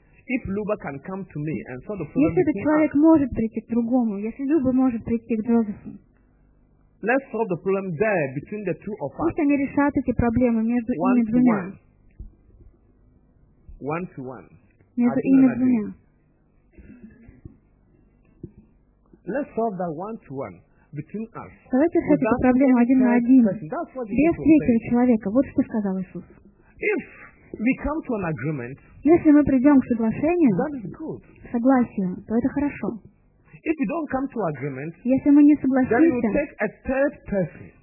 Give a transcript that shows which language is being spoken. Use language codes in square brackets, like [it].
[ru] Если этот человек может прийти к другому, если Люба может прийти к Джозефу, [en] let's solve the problem there between the two of us. [ru] Пусть они решат эти проблемы между ими двумя. [en] One to one. [ru] Между ими двумя. [en] Let's solve that one to one between us. [ru] Давайте решать эту проблему один на один. Без третьего человека. Вот что сказал Иисус. [en] If we come to an agreement, [ru] если мы придем к соглашению, [en] that is good. [ru] Согласию, то это хорошо. [en] If you don't come to agreement, [ru] если мы не согласимся, [en] then you take a third person.